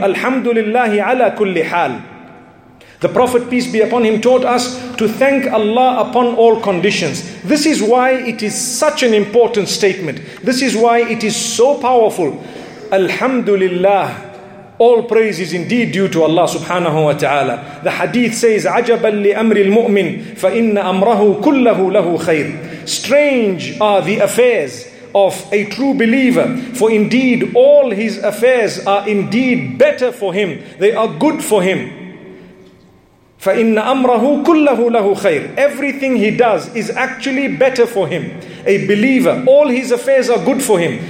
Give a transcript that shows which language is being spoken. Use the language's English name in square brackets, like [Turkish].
[Arabic] Alhamdulillahi ala kulli hal. [English] The Prophet, peace be upon him, taught us to thank Allah upon all conditions. This is why it is such an important statement. This is why it is so powerful. Alhamdulillah, all praise is indeed due to Allah subhanahu wa ta'ala. The hadith says, [Arabic] عَجَبًا لِأَمْرِ الْمُؤْمِنِ فَإِنَّ أَمْرَهُ كُلَّهُ لَهُ خَيْرٌ. [English] Strange are the affairs of a true believer, for indeed all his affairs are indeed better for him. They are good for him. [Arabic] فَإِنَّ أَمْرَهُ كُلَّهُ لَهُ خَيْرٌ. [English] Everything he does is actually better for him. A believer, all his affairs are good for him.